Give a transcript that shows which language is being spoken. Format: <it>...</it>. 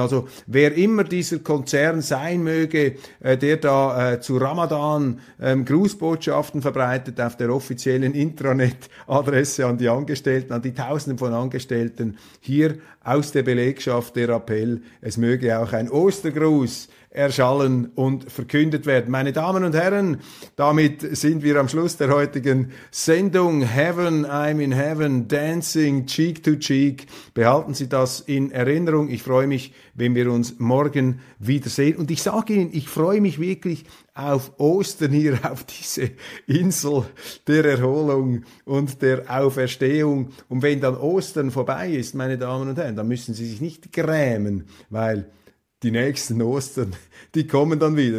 <de>Also wer immer dieser Konzern sein möge, der da zu Ramadan Grußbotschaften verbreitet auf der offiziellen Intranet-Adresse an die Angestellten, an die Tausenden von Angestellten, hier aus der Belegschaft der Appell, es möge auch ein Ostergruß erschallen und verkündet werden. Meine Damen und Herren, damit sind wir am Schluss der heutigen Sendung.</de> <en>Heaven, I'm in heaven, dancing cheek to cheek.</en> <de>Behalten Sie das in Erinnerung. Ich freue mich, wenn wir uns morgen wiedersehen. Und ich sage Ihnen, ich freue mich wirklich auf Ostern hier, auf diese Insel der Erholung und der Auferstehung. Und wenn dann Ostern vorbei ist, meine Damen und Herren, dann müssen Sie sich nicht grämen, weil die nächsten Ostern, die kommen dann wieder.</de>